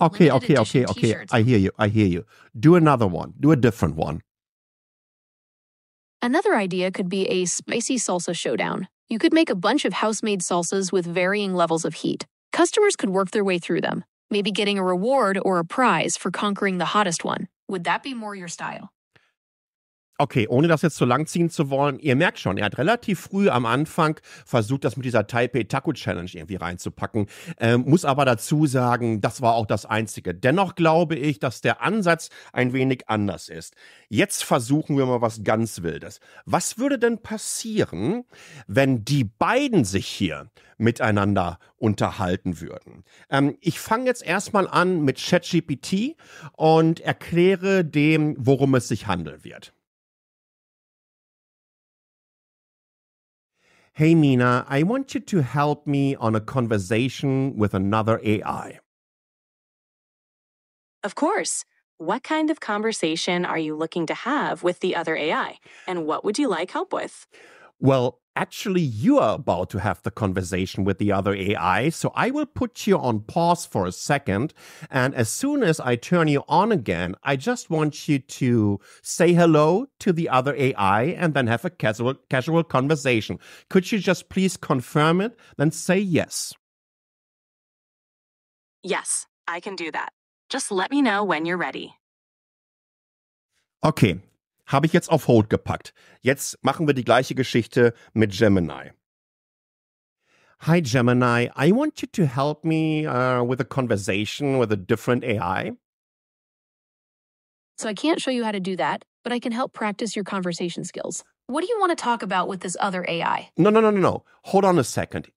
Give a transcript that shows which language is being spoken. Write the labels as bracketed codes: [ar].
[en] I hear you. Do another one. Do a different one. Another idea could be a spicy salsa showdown. You could make a bunch of house-made salsas with varying levels of heat. Customers could work their way through them, maybe getting a reward or a prize for conquering the hottest one. Would that be more your style? [de] Okay, ohne das jetzt zu lang ziehen zu wollen, ihr merkt schon, er hat relativ früh am Anfang versucht, das mit dieser Taipei-Taco-Challenge irgendwie reinzupacken. Muss aber dazu sagen, das war auch das Einzige. Dennoch glaube ich, dass der Ansatz ein wenig anders ist. Jetzt versuchen wir mal was ganz Wildes. Was würde denn passieren, wenn die beiden sich hier miteinander unterhalten würden? Ich fange jetzt erstmal an mit ChatGPT und erkläre dem, worum es sich handeln wird. [en] Hey Mina, I want you to help me on a conversation with another AI. Of course. What kind of conversation are you looking to have with the other AI? And what would you like help with? Well, actually, you are about to have the conversation with the other AI, so I will put you on pause for a second. And as soon as I turn you on again, I just want you to say hello to the other AI and then have a casual conversation. Could you just please confirm it? Then say yes. Yes, I can do that. Just let me know when you're ready. [de] Okay. Habe ich jetzt auf Hold gepackt. Jetzt machen wir die gleiche Geschichte mit Gemini. [en] Hi Gemini, I want you to help me with a conversation with a different AI. So I can't show you how to do that, but I can help practice your conversation skills. What do you want to talk about with this other AI? No. Hold on a second.